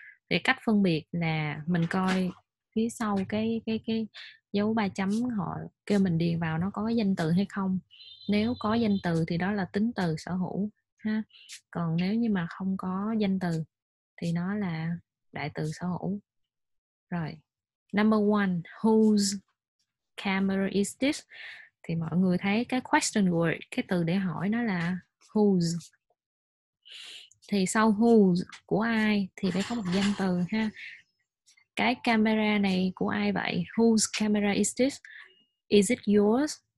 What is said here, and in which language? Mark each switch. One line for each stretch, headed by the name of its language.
Vietnamese: Thì cách phân biệt là mình coi phía sau cái dấu ba chấm họ kêu mình điền vào nó có danh từ hay không. Nếu có danh từ thì đó là tính từ sở hữu ha. Còn nếu như mà không có danh từ thì nó là đại từ sở hữu. Rồi,
English: number one, whose camera is this?
Vietnamese: Thì mọi người thấy cái question word, cái từ để hỏi nó là whose. Thì sau whose của ai thì phải có một danh từ ha. Cái camera này của ai vậy?
English: Whose camera is this? Is it yours?